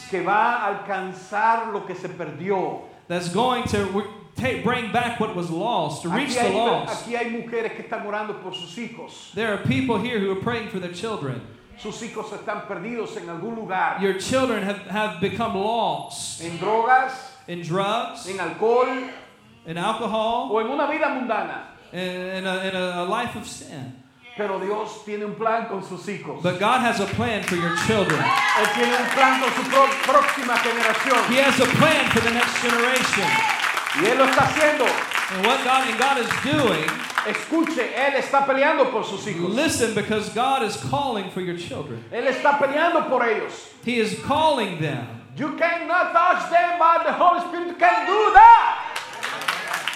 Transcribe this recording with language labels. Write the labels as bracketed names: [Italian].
[Spanish] Que va a alcanzar lo que se perdió. [English] That's going to bring back what was lost, reach [Spanish] aquí hay, [English] the lost. [Spanish] Aquí hay mujeres que están orando por sus hijos. [English] There are people here who are praying for their children. [Spanish] Sus hijos están perdidos en algún lugar. [English] Your children have become lost. [Spanish] En drogas. [English] In drugs. [Spanish] En alcohol. [English] In alcohol. [Spanish] O en una vida mundana. [English] In a life of sin. [Spanish] Pero Dios tiene un plan con sus hijos. [English] But God has a plan for your children. [Spanish] Él tiene un plan con su próxima generación. [English] He has a plan for the next generation. [Spanish] Y Él lo está haciendo. [English] And what God and God is doing. [Spanish] Escuche, Él está peleando por sus hijos. [English] Listen, because God is calling for your children. [Spanish] Él está peleando por ellos. [English] He is calling them. You cannot touch them, but the Holy Spirit can do that.